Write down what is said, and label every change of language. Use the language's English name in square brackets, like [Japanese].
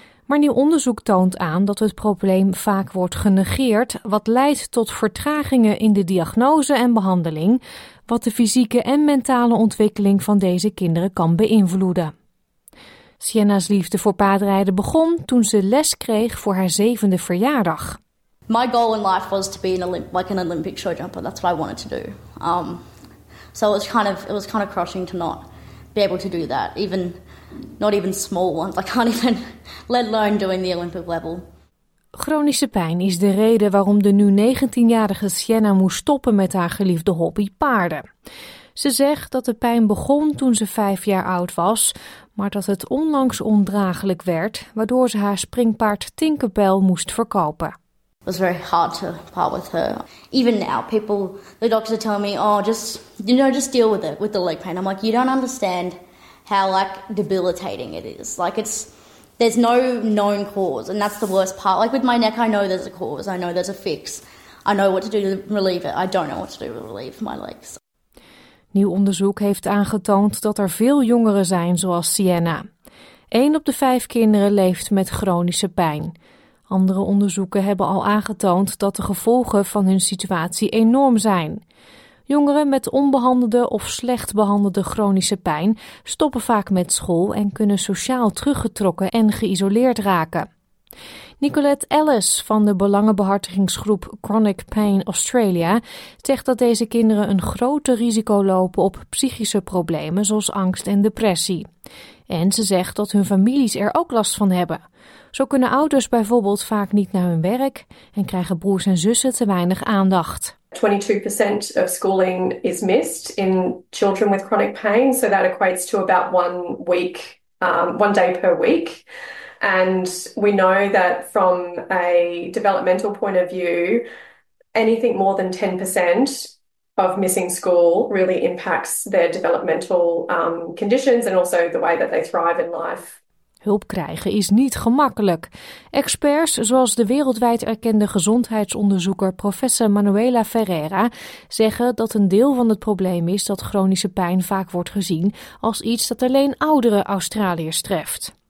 [Dutch] Maar nieuw onderzoek toont aan dat het probleem vaak wordt genegeerd, wat leidt tot vertragingen in de diagnose en behandeling, wat de fysieke en mentale ontwikkeling van deze kinderen kan beïnvloeden. Sienna's liefde voor paardrijden begon toen ze les kreeg voor haar 7e verjaardag. [English] My goal in life was to be an Olympic show jumper. That's what I wanted to do. So it was kind of crushing to not be able to do that. Even not even small ones. I can't even let alone doing the Olympic level. [Dutch] Chronische pijn is de reden waarom de nu 19-jarige Sienna moest stoppen met haar geliefde hobby paarden. Ze zegt dat de pijn begon toen ze 5 jaar oud was, maar dat het onlangs ondraaglijk werd, waardoor ze haar springpaard Tinkerbell moest verkopen. [English] It was very hard to part with her. Even now, people, the doctors are telling me, oh, just, you know, just deal with it, with the leg pain. I'm like, you don't understand how, like, debilitating it is. Like, it's, there's no known cause, and that's the worst part. Like, with my neck, I know there's a cause. I know there's a fix. I know what to do to relieve it. I don't know what to do to relieve my legs. [Dutch] Nieuw onderzoek heeft aangetoond dat er veel jongeren zijn zoals Sienna. 1 op de 5 kinderen leeft met chronische pijn. Andere onderzoeken hebben al aangetoond dat de gevolgen van hun situatie enorm zijn. Jongeren met onbehandelde of slecht behandelde chronische pijn stoppen vaak met school en kunnen sociaal teruggetrokken en geïsoleerd raken. Nicolette Ellis van de belangenbehartigingsgroep Chronic Pain Australia zegt dat deze kinderen een grote risico lopen op psychische problemen zoals angst en depressie. En ze zegt dat hun families er ook last van hebben. Zo kunnen ouders bijvoorbeeld vaak niet naar hun werk en krijgen broers en zussen te weinig aandacht. [English] 22% of schooling is missed in children with chronic pain, so that equates to about 1 week, 1 day per week. And we know that from a developmental point of view, anything more than 10% of missing school really impacts their developmental conditions and also the way that they thrive in life. [Dutch] Hulp krijgen is niet gemakkelijk. Experts, zoals de wereldwijd erkende gezondheidsonderzoeker professor Manuela Ferreira, zeggen dat een deel van het probleem is dat chronische pijn vaak wordt gezien als iets dat alleen oudere Australiërs treft.